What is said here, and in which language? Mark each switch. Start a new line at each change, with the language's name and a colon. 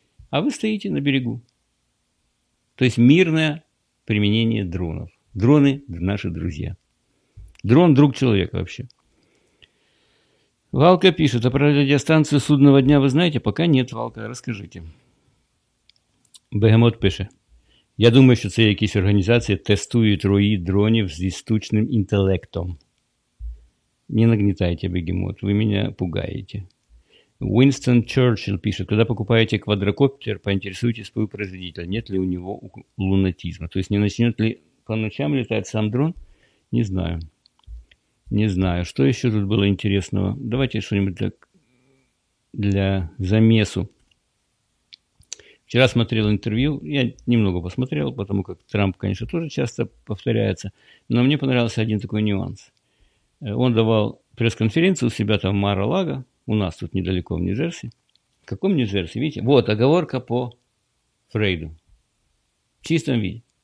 Russian: А вы стоите на берегу. То есть мирное применение дронов. Дроны – наши друзья. Дрон – друг человека вообще. Валка пишет, а про радиостанцию судного дня вы знаете? Пока нет, Валка, расскажите. Бегемот пишет.
Ukrainian: Я думаю, що це якісь організації тестують рої дронів зі штучним інтелектом. Не нагнітайте, бегемот, ви мене пугаєте. Уинстон Черчилль пише, коли покупаєте квадрокоптер, поінтересуйтесь свого производителя,
Russian: нет ли
Ukrainian: у нього лунатизму. Тобто не
Russian: начнет ли по ночам
Ukrainian: літати сам дрон? Не знаю. Не знаю. Що ще тут було інтересного? Давайте щось для замесу.
Russian: Вчера смотрел интервью, я немного посмотрел, потому как Трамп, конечно, тоже часто повторяется, но мне понравился один такой нюанс. Он давал пресс-конференцию у себя там в Мар-а-Лаго, у нас тут недалеко в Нью-Джерси. В каком Нью-Джерси? Видите? Вот, оговорка по Фрейду. В чистом виде.